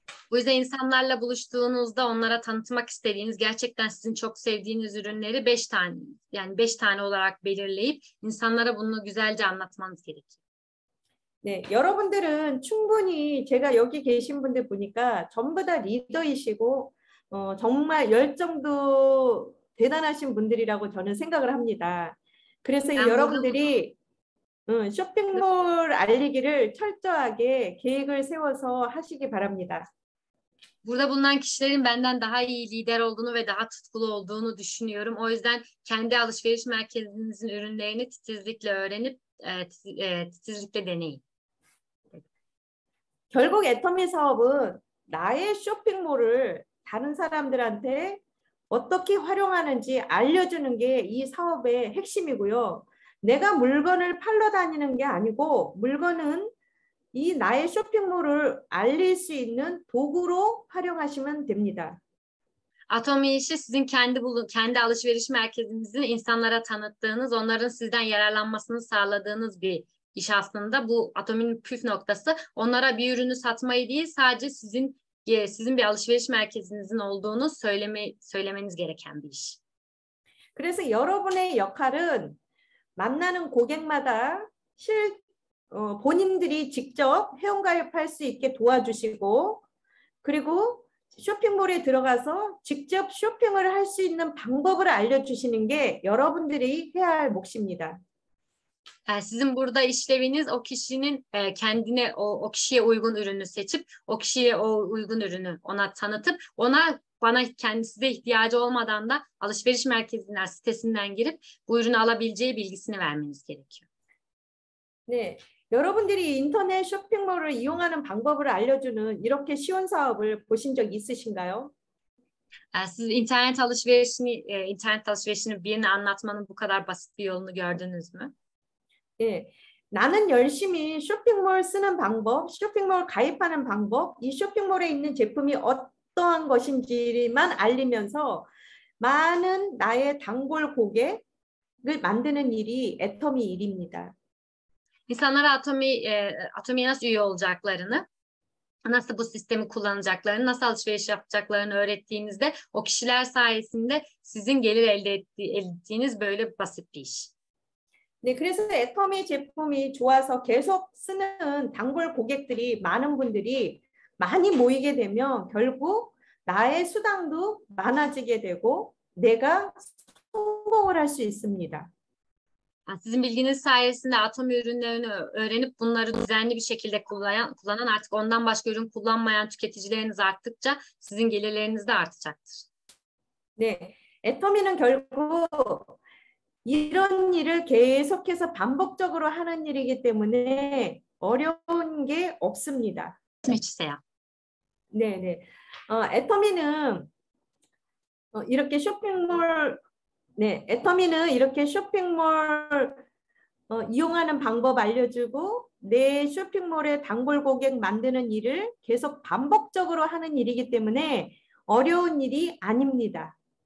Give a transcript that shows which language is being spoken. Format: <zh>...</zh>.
<tr>Bu yüzden insanlarla buluştuğunuzda onlara tanıtmak istediğiniz gerçekten sizin çok sevdiğiniz ürünleri 5 tane yani 5 tane olarak belirleyip insanlara bunu güzelce anlatmanız gerekiyor.</tr> <ko>네, 여러분들은 충분히 제가 여기 계신 분들 보니까 전부 다 리더이시고, 정말 열정도 대단하신 분들이라고 저는 생각을 합니다. 그래서</ko> <tr>Ben burada</tr> <ko>여러분들이 쇼핑몰 알리기를 철저하게 계획을 세워서 하시기 바랍니다.</ko> <tr>�ulunan kişilerin benden daha iyi lider olduğunu ve daha tutkulu olduğunu düşünüyorum. O yüzden kendi alışveriş merkezinizin ürünlerini titizlikle öğrenip titizlikle deneyin.</tr> <ko>결국 애터미 사업은 나의 쇼핑몰을 다른 사람들한테 어떻게 활용하는지 알려주는 게이 사업의 핵심이고요. 내가 물건을 팔러 다니는 게 아니고, 물건은 이 나의 쇼핑몰을 알릴 수 있는 도구로 활용하시면 됩니다.</ko> <tr>아토미 이시 sizin kendi alışveriş merkezinizin insanlara tanıttığınız, onların sizden yararlanmasını sağladığınız bir iş aslında. Bu Atomi'nin püf noktası. Onlara bir ürünü satmayı değil, sadece sizin bir alışveriş merkezinizin olduğunu söylemeniz gereken bir iş.</tr> <ko>그래서 여러분의 역할은 만나는 고객마다 본인들이 직접 회원가입할 수 있게 도와주시고, 그리고 쇼핑몰에 들어가서 직접 쇼핑을 할수 있는 방법을 알려주시는 게 여러분들이 해야 할 몫입니다.</ko> <tr>Sizin burada işleviniz o kişinin kendine o kişiye uygun ürünü seçip o kişiye o uygun ürünü ona tanıtıp ona bana kendisi de ihtiyacı olmadan da alışveriş merkezinden sitesinden girip bu ürünü alabileceği bilgisini vermeniz gerekiyor.</tr> <ko>네, 여러분들이 인터넷 쇼핑몰을 이용하는 방법을 알려주는 이렇게 쉬운 사업을 보신 적 있으신가요?</ko> <tr>Siz internet alışverişinin birini anlatmanın bu kadar basit bir yolunu gördünüz mü?</tr> <ko>네, 나는 열심히 쇼핑몰 쓰는 방법, 쇼핑몰 가입하는 방법, 이 쇼핑몰에 있는 제품이 어떠한 것인지만 알리면서 많은 나의 단골 고객을 만드는 일이 애터미 일입니다.</ko> <tr>İnsanlara Atomi'ye nasıl üye olacaklarını, nasıl bu sistemi kullanacaklarını, nasıl alışveriş yapacaklarını öğrettiğinizde o kişiler sayesinde sizin gelir elde ettiğiniz böyle basit bir iş.</tr> <ko>네, 그래서 애터미 제품이 좋아서 계속 쓰는 단골 고객들이 많은 분들이 많이 모이게 되면 결국 나의 수당도 많아지게 되고 내가 성공을 할수 있습니다.</ko> <tr>Sizin bilginiz sayesinde Atomi ürünlerini öğrenip bunları düzenli bir şekilde kullanan artık ondan başka ürün kullanmayan tüketicileriniz arttıkça sizin gelirleriniz de artacaktır.</tr> <ko>네, 애터미는 결국 이런 일을 계속해서 반복적으로 하는 일이기 때문에 어려운 게 없습니다. 말씀해주세요. 네. 애터미는 이렇게 쇼핑몰, 네, 애터미는 이렇게 쇼핑몰 이용하는 방법 알려주고 내 쇼핑몰에 단골 고객 만드는 일을 계속 반복적으로 하는 일이기 때문에 어려운 일이 아닙니다.</ko>